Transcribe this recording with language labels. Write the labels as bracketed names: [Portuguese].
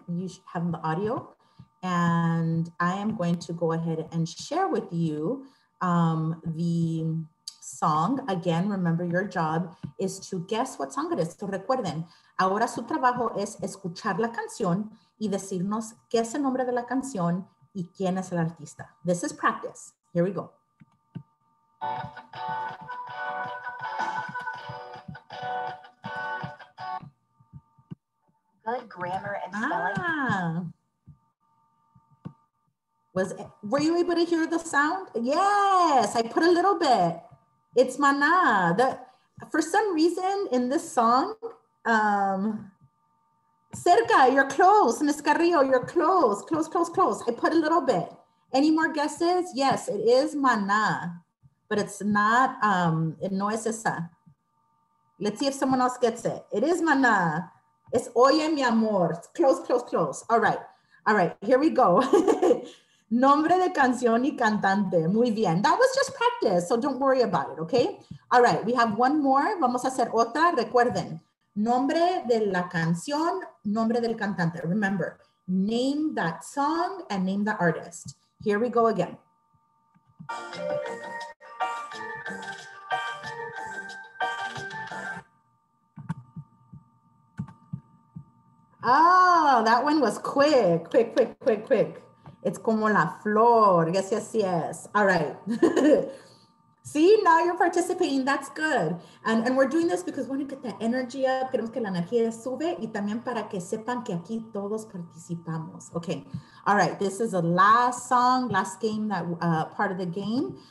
[English] You should have the audio. And I am going to go ahead and share with you the song. Again, remember your job is to guess what song it is. [Spanish] So recuerden, ahora su trabajo es escuchar la canción y decirnos qué es el nombre de la canción y quién es el artista. [English] This is practice. Here we go. Good grammar and spelling. Were you able to hear the sound? Yes, I put a little bit. It's Maná. For some reason in this song, cerca, you're close. Ms. Carrillo, you're close, close, close, close. I put a little bit. Any more guesses? Yes, it is Maná, but it's not, [Spanish] no es esa. [English] Let's see if someone else gets it. It is Maná. Es Oye Mi Amor. It's close, close, close. All right, here we go. [Spanish] Nombre de canción y cantante. Muy bien. [English] That was just practice, so don't worry about it, okay? All right, we have one more. [Spanish] Vamos a hacer otra. Recuerden, nombre de la canción, nombre del cantante. [English] Remember, name that song and name the artist. Here we go again. Oh, that one was quick, quick, quick, quick, quick. It's como la flor, yes, yes, yes. All right. See, now you're participating. That's good. And we're doing this because we want to get the energy up. [Spanish] Queremos que la energía sube. Y también para que sepan que aquí todos participamos. [English] Okay. All right. This is the last song, last game, that part of the game.